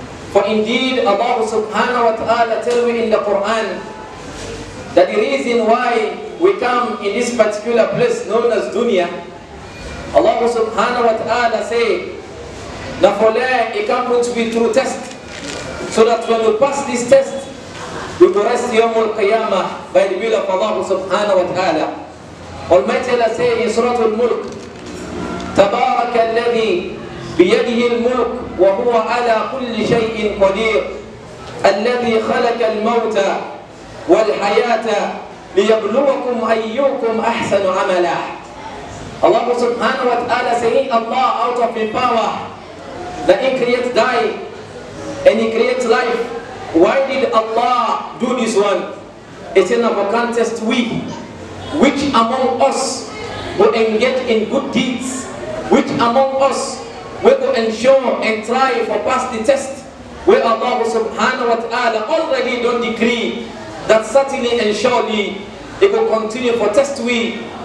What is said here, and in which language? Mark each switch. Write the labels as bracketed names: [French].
[English] For indeed, Allah subhanahu wa ta'ala tell me in the Quran that the reason why we come in this particular place known as dunya, Allah subhanahu wa ta'ala say that for there it comes to be through test, so that when we pass this test, we will rest yawmul qiyamah by the will of Allah subhanahu wa ta'ala. Almighty Allah say in Surah Al-Mulk, [Arabic] تبارك الذي بيده الملك وهو على كل شيء قدير الذي خلق الموت والحياة ليبلوكم أيكم أحسن عملا. [English] Allah subhanahu wa ta'ala saying, Allah out of his power that he creates die and he creates life, why did Allah do this one? It's in our contest which among us will engage in good deeds, which among us will go ensure and try for pass the test, where Allah subhanahu wa ta'ala already don't decree that certainly and surely it will continue for test we